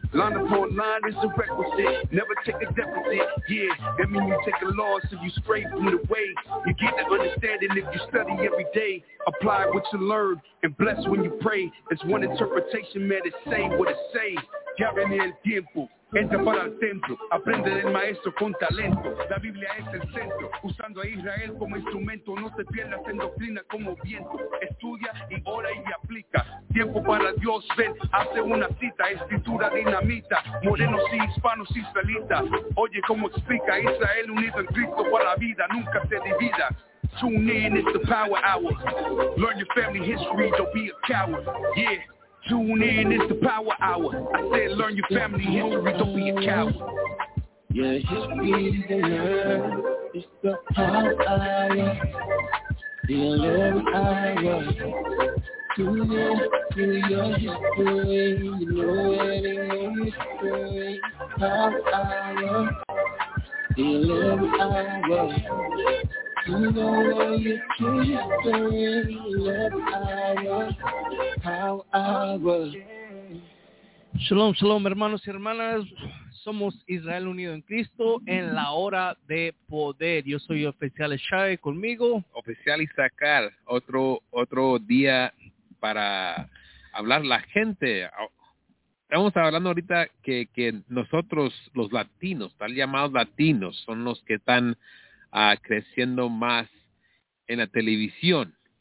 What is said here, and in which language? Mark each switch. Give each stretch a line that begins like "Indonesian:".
English: Line upon line is a requisite. Never take a deficit, yeah. That mean you take a loss if you stray from the way. You get the understanding if you study every day. Apply what you learn and bless when you pray. It's one interpretation, man, it say what it say.
Spanish: Ya viene el tiempo. Entra para el templo, aprende del maestro con talento. La Biblia es el centro, usando a Israel como instrumento. No te pierdas en doctrina como viento. Estudia y ora y aplica. Tiempo para Dios, ven, hace una cita. Escritura dinamita, morenos y hispanos y israelitas. Oye cómo explica, Israel unido en Cristo para la vida. Nunca se divida.
English: Tune in, it's the power hour. Learn your family history, don't be a coward. Yeah. Tune in, it's the power hour. I said learn your family history, don't be a coward. Yeah, history is the power hour. The learning hour. Tune in to your history. You know where to go, history. Power hour. The learning hour. You know what you're doing, history, love hour, power hour.
Spanish: Shalom, shalom, hermanos y hermanas. Somos Israel Unido en Cristo en la hora de poder. Yo soy Oficial Shai, conmigo. Oficial Isaacar, otro día para hablar la gente. Estamos hablando ahorita que nosotros, los latinos, tal llamados latinos, son los que están creciendo más en la televisión.